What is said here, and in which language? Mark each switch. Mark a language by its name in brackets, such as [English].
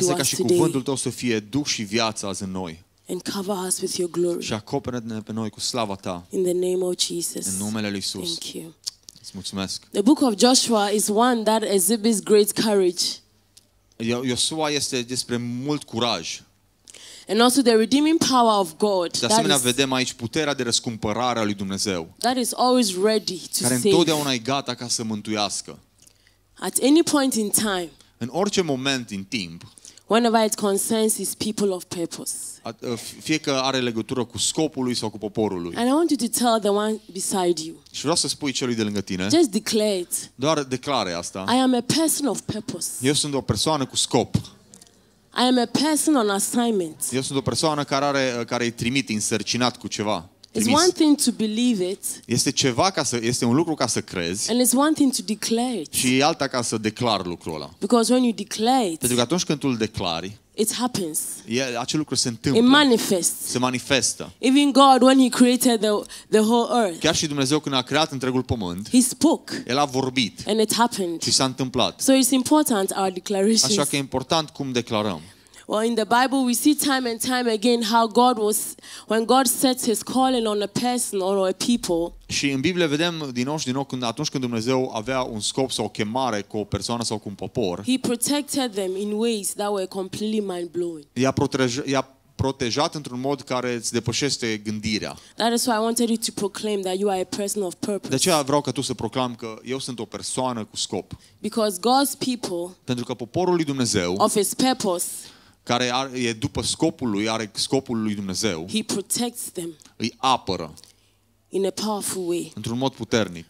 [Romanian] Lasă ca și cuvântul tău să fie duh și viață azi în noi. [English] And cover us with your glory. [Romanian] Și acoperă-ne pe noi cu slava ta. [English] In the name of Jesus. [Romanian] În numele lui Iisus. [English] Thank you. [Romanian] Îți mulțumesc. [English] The book of Joshua is one that exhibits great courage. [Romanian] Iosua este despre mult curaj. [English] And also the redeeming power of God. [Romanian] De asemenea, vedem aici puterea de răscumpărare a lui Dumnezeu. [English] That is always ready to [Romanian] care [English] save. [Romanian] Întotdeauna e gata ca să mântuiască. [English] At any point in time. [Romanian] În orice moment în timp. [English] Whenever it concerns his people of purpose. [Romanian] Fie că are legătură cu scopul lui sau cu poporul lui. [English] And I want you to tell the one beside you. [Romanian] Și vreau să spui celui de lângă tine. [English] Just declare it. [Romanian] Doar declară asta. [English] I am a person of purpose. [Romanian] Eu sunt o persoană cu scop. [English] I am a person on assignment. [Romanian] Eu sunt o persoană care e trimit, însărcinat cu ceva. [English] It's one thing to believe it. [Romanian] Este ceva ca să este un lucru ca să crezi. [English] And it's one thing to declare it. [Romanian] Și e alta ca să declar lucrul ăla. [English] Because when you declare it. [Romanian] Pentru că atunci când tu îl declari. [English] It happens. [Romanian] Acel lucru se întâmplă. [English] It manifests. [Romanian] Se manifestă. [English] Even God when he created the whole earth. [Romanian] Chiar și Dumnezeu când a creat întregul pământ. [English] He spoke. [Romanian] El a vorbit. [English] And it happened. [Romanian] Și s-a întâmplat. [English] So it's important our declarations. [Romanian] Așa că e important cum declarăm. [English] Well, in the Bible we see time and time again how God was when God sets his calling on a person or a people. [Romanian] Și în Biblie vedem din nou când atunci când Dumnezeu avea un scop sau o chemare cu o persoană sau cu un popor. [English] He protected them in ways that were completely mind-blowing. [Romanian] I-a protejat într-un mod care îți depășește gândirea. [English] That is why I wanted you to proclaim that you are a person of purpose. [Romanian] De aceea vreau ca tu să proclam că eu sunt o persoană cu scop. [English] Because God's people. [Romanian] Pentru că poporul lui Dumnezeu. [English] Of his purpose. [Romanian] Care e după scopul lui, are scopul lui Dumnezeu. [English] He protects them. [Romanian] Îi apără. [English] In a powerful way. [Romanian] Într-un mod puternic.